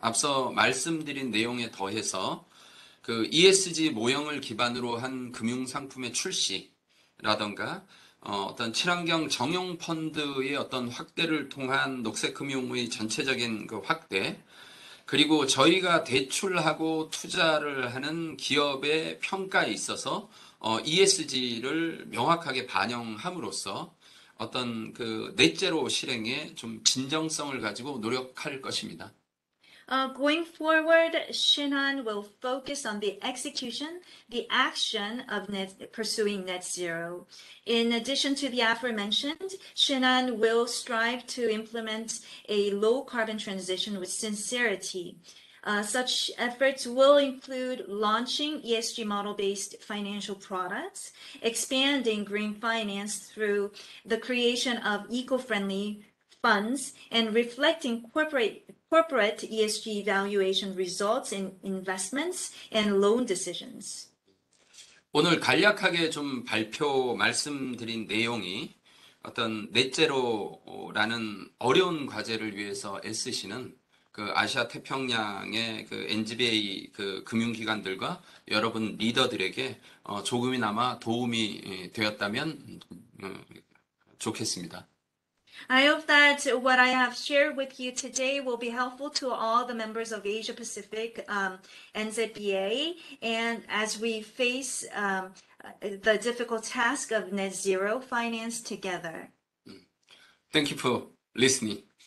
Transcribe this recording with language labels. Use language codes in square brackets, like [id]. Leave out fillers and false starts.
[ko] 앞서 말씀드린 내용에 더해서 그 ESG 모형을 기반으로 한 금융 상품의 출시라던가 어떤 친환경 정용 펀드의 어떤 확대를 통한 녹색 금융의 전체적인 그 확대 그리고 저희가 대출하고 투자를 하는 기업의 평가에 있어서 ESG를 명확하게 반영함으로써 어떤 그 넷제로 실행에 좀 진정성을 가지고 노력할 것입니다. [en] Going forward, Shinhan will focus on the execution, the action of pursuing net zero. In addition to the aforementioned, Shinhan will strive to implement a low carbon transition with sincerity. Such efforts will include launching ESG model-based financial products, expanding green finance through the creation of eco-friendly funds, and reflecting corporate ESG evaluation results in investments and loan decisions. [ko] 오늘 간략하게 좀 발표 말씀드린 내용이 어떤 넷제로라는 어려운 과제를 위해서 애쓰시는 그 아시아 태평양의 그 NZBA 그 금융기관들과 여러분 리더들에게 조금이나마 도움이 되었다면 좋겠습니다. [en] I hope that what I have shared with you today will be helpful to all the members of Asia Pacific NZBA, and as we face the difficult task of net zero finance together. Thank you for listening.